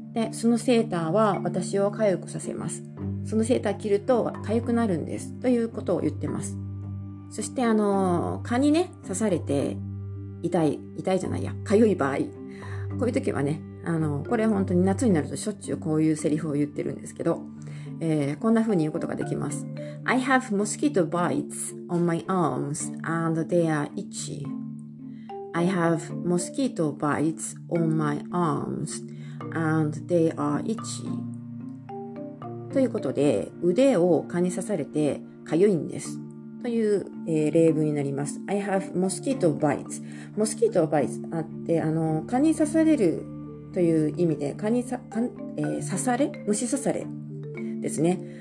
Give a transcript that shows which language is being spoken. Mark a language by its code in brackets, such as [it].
[ja] で、そのセーターは私を痒くさせます。そのセーター着ると痒くなるんです。ということを言ってます。そして蚊にね、刺されて痒い場合。こういう時はね、これ本当に夏になるとしょっちゅうこういうセリフを言ってるんですけど、こんな風に言うことができます。 [en] I have mosquito bites on my arms and they are itchy. I have mosquito bites on my arms and they are itchy. [ja] ということで、腕を蚊に刺されて痒いんです。という、例文になります。 [en] I have mosquito bites. [ja] Mosquito bites って、蚊に刺されるという意味で、虫刺されですね。